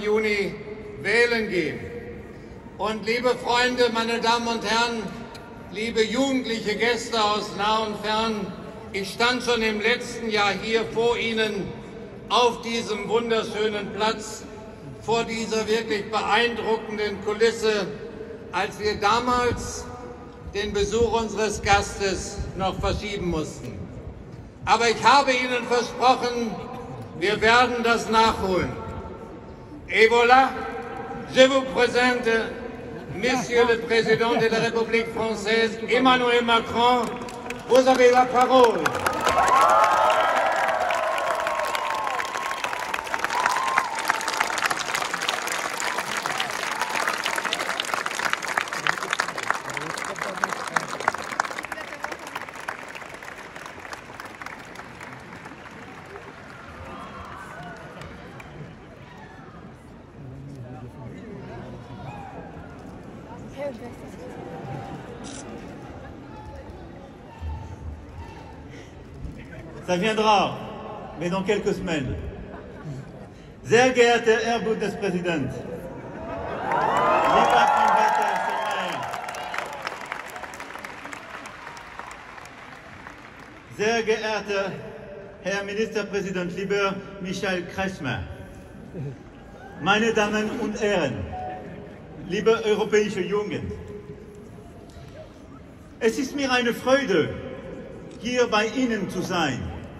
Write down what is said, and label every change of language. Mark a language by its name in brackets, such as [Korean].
[German] Juni wählen gehen. Und liebe Freunde, meine Damen und Herren, liebe jugendliche Gäste aus nah und fern, ich stand schon im letzten Jahr hier vor Ihnen auf diesem wunderschönen Platz, vor dieser wirklich beeindruckenden Kulisse, als wir damals den Besuch unseres Gastes noch verschieben mussten. Aber ich habe Ihnen versprochen, wir werden das nachholen. [French] Et voilà, je vous présente, Monsieur le Président de la République française, Emmanuel Macron, vous avez la parole. Ça viendra, mais dans quelques semaines. [German] Sehr geehrter Herr Bundespräsident, lieber von Wetter, sehr geehrter Herr Ministerpräsident, lieber Michael Kretschmer, meine Damen und Herren, liebe europäische Jugend, es ist mir eine Freude, hier bei Ihnen zu sein.